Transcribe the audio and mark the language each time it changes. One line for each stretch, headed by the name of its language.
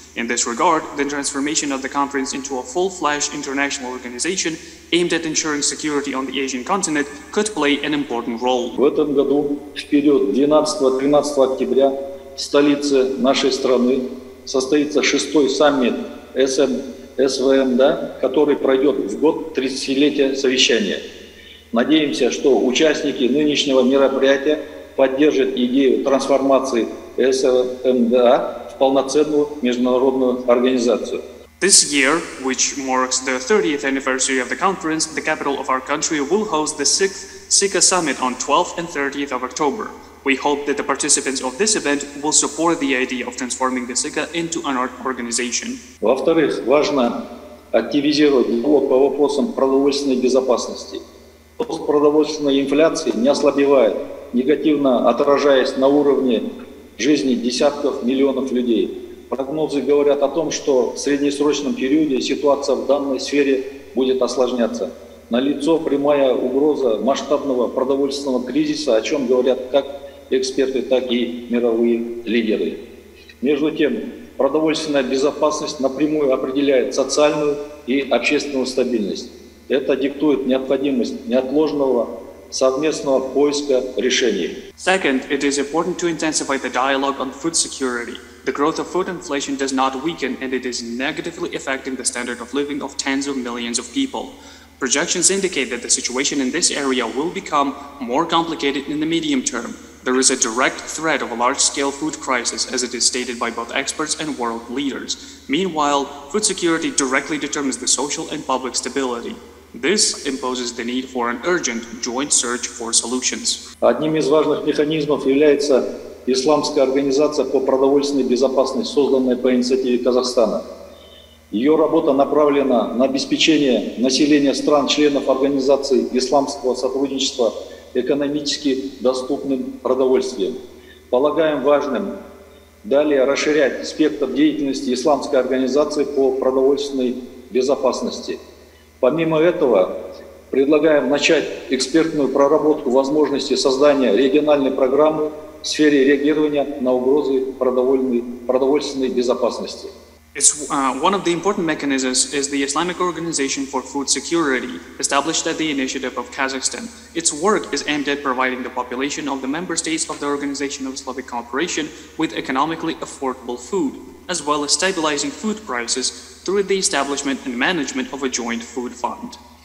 English: In this regard, the transformation of the conference into a full-fledged international organization aimed at ensuring security on the Asian continent could play an important role.
Russian: В этом году, в период 12-13 октября, в столице нашей страны состоится шестой саммит СВМ, да, который пройдет в год 30-летия совещания. Надеемся, что участники нынешнего мероприятия поддержат идею трансформации СВМДА в полноценную международную организацию.
English: This year, which marks the 30th anniversary of the conference, the capital of our country will host the 6th SICA Summit on 12th and 30th of October. We hope that the participants of this event will support the idea of transforming the SICA into an art organization.
Russian: Во-вторых, важно активизировать диалог по вопросам продовольственной безопасности. Рост продовольственной инфляции не ослабевает, негативно отражаясь на уровне жизни десятков миллионов людей. Прогнозы говорят о том, что в среднесрочном периоде ситуация в данной сфере будет осложняться. Налицо прямая угроза масштабного продовольственного кризиса, о чем говорят как эксперты, так и мировые лидеры. Между тем, продовольственная безопасность напрямую определяет социальную и общественную стабильность. Это диктует необходимость неотложного совместного поиска решений.
English: Second, it is important to intensify the dialogue on food security. The growth of food inflation does not weaken, and it is negatively affecting the standard of living of tens of millions of people. Projections indicate that the situation in this area will become more complicated in the medium term. There is a direct threat of a large-scale food crisis, as it is stated by both experts and world leaders. Meanwhile, food security directly determines the social and public stability. This imposes the need for an urgent joint search for solutions.
Russian: Одним из важных механизмов является Исламская организация по продовольственной безопасности, созданная по инициативе Казахстана. Ее работа направлена на обеспечение населения стран-членов организации Исламского сотрудничества экономически доступным продовольствием. Полагаем важным далее расширять спектр деятельности Исламской организации по продовольственной безопасности. Помимо этого, предлагаем начать экспертную проработку возможности создания региональной программы в сфере реагирования на угрозы продовольственной безопасности.
English: One of the important mechanisms is the Islamic Organization for Food Security, established at the initiative of Kazakhstan. Its work is aimed at providing the population of the member states of the Organization of Islamic Cooperation with economically affordable food, as well as stabilizing food prices through the establishment and management of a joint food fund.